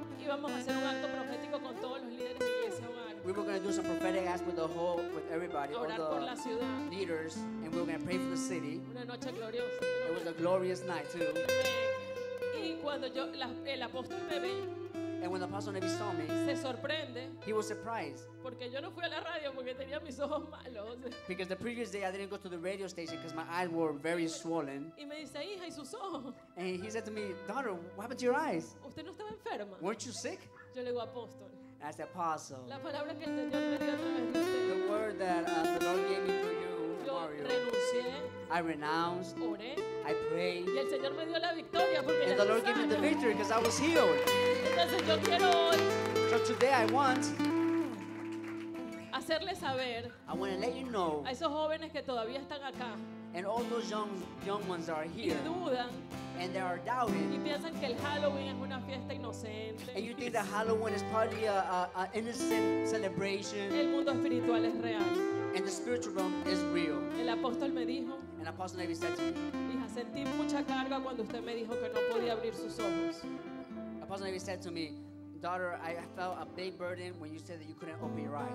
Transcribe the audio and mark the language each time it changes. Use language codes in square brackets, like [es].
[es] Íbamos a hacer un acto profético con todos los líderes de Iglesia Hogar. [en] We were going to do some prophetic acts with the whole, with everybody, [es] orar [en] all the [es] por la ciudad. [en] Leaders, and we were going to pray for the city. [es] Una noche gloriosa. [en] It was a glorious night too. [es] Y cuando yo, el apóstol me ve. [en] And when the apostle Nevi saw me, [es] se sorprende, [en] he was surprised. [es] Porque yo no fui a la radio porque tenía mis ojos malos. [en] Because the previous day I didn't go to the radio station because my eyes were very swollen. [es] Y me dice, hija, ¿y sus ojos? [en] And he said to me, daughter, what about your eyes? [es] ¿Usted no estaba enferma? [en] Weren't you sick? [es] Yo le digo, apóstol. [en] And I said, apostle. [es] La palabra que el Señor me dio a través de usted. [en] The word that the Lord gave me to you, [es] yo Mario. Renuncié. [en] I renounced. [es] Oré. [en] I prayed. [es] Y el Señor me dio la victoria porque [en] and the Lord gave me the victory because I was healed. [es] Entonces, yo quiero [en] so today I want [es] hacerle saber, [en] I want to let you know [es] a esos jóvenes que todavía están acá, [en] and all those young ones are here [es] y dudan, [en] and they are doubting [es] y piensan que el Halloween es una fiesta inocente, [en] and you think that Halloween is probably an innocent celebration. [es] El mundo espiritual es real, [en] and the spiritual realm is real. [es] El apóstol me dijo, [en] and Apostle Nevi said to me, [es] hija, sentí mucha carga cuando usted me dijo que no podía abrir sus ojos. [en] Apostle Nevi said to me, daughter, I felt a big burden when you said that you couldn't open your eyes.